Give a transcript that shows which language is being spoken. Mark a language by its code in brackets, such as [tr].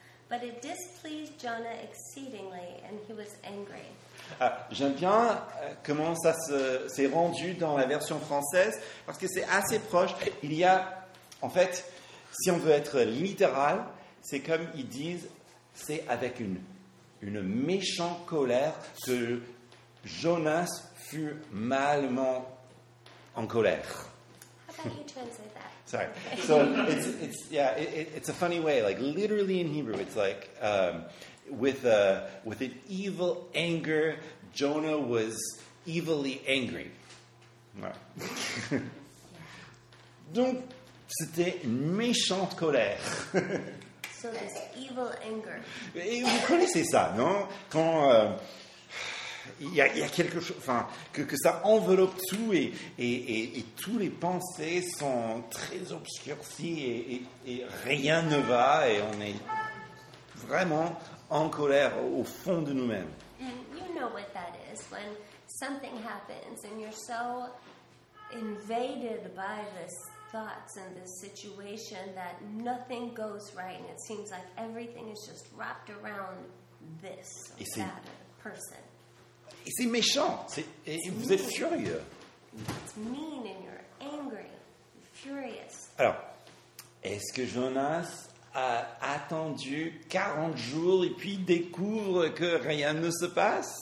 [en] But it displeased Jonah exceedingly, and he was angry. [fr] J'aime bien comment ça s'est rendu dans la version française, parce que c'est assez proche. Il y a, en fait, si on veut être littéral, c'est comme ils disent, c'est avec une méchante colère que Jonas fut malement en colère. [en] How about you translate that? Sorry. So it's a funny way. Like literally in Hebrew, it's like with an evil anger, Jonah was evilly angry. Right. [fr] Donc c'était une méchante colère. [en] So this evil anger. [fr] Et vous connaissez ça, non? Quand Il y a quelque chose, enfin, que ça enveloppe tout et tous les pensées sont très obscurcies et rien ne va et on est vraiment en colère au fond de nous-mêmes. [en] And you know what that is when something happens and you're so invaded by this thoughts and this situation that nothing goes right and it seems like everything is just wrapped around this. [fr] Et c'est [en] person. [fr] Et c'est méchant. Vous êtes furieux. [en] It's mean and you're angry, furious. [fr] Alors, est-ce que Jonas a attendu 40 jours et puis découvre que rien ne se passe?